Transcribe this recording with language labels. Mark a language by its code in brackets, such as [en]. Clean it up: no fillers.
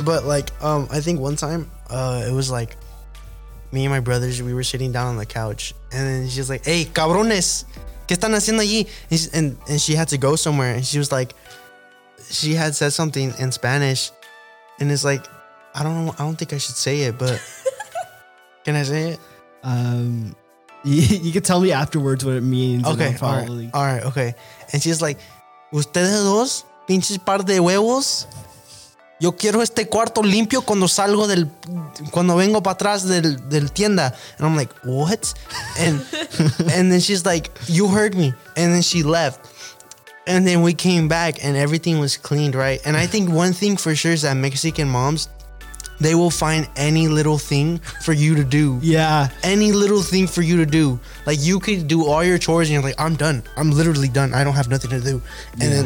[en] But like I think one time it was like me and my brothers, we were sitting down on the couch and then she's like, [es] hey cabrones, ¿qué están haciendo allí? [en] And she had to go somewhere and she was like, she had said something in Spanish and it's like, I don't know, I don't think I should say it, but can I say it? You can tell me afterwards what it means. Okay, alright, okay. And she's like, [es] ustedes dos pinches par de huevos, yo quiero este cuarto limpio cuando salgo del, cuando vengo para atrás del, del tienda. [en] And I'm like, what? And then she's like, you heard me. And then she left. And then we came back and everything was cleaned, right? And I think one thing for sure is that Mexican moms, they will find any little thing for you to do. Yeah. Any little thing for you to do. Like you could do all your chores and you're like, I'm done. I'm literally done. I don't have nothing to do. Yeah.